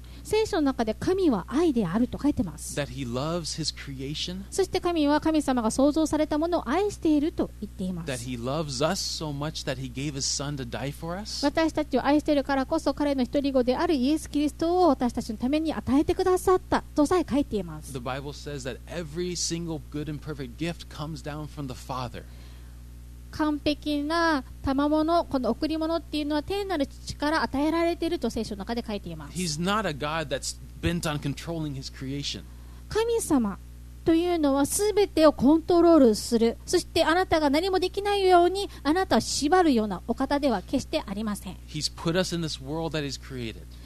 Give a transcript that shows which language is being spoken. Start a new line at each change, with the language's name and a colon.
Japanese: 聖書の中で神は愛であると書いてます。
English: That he loves his creation.
Japanese: そして神は神様が創造されたものを愛していると言っています。
English: That he loves us so much that he gave his son to die for us.
Japanese: 私たちを愛しているからこそ彼の一人子であるイエス・キリストを私たちのために与えてくださったとさえ書いています。
English: The Bible says that every single good and perfect gift comes down from the Father.
Japanese: 完璧な賜物、この贈り物っていうのは天なる父から与えられていると聖書の中で書いています。
English: He's not a God that's bent on controlling his creation.
Japanese: 神様というのは全てをコントロールする、そしてあなたが何もできないようにあなたを縛るようなお方では決してありません。
English: He's put us in this world that he's created.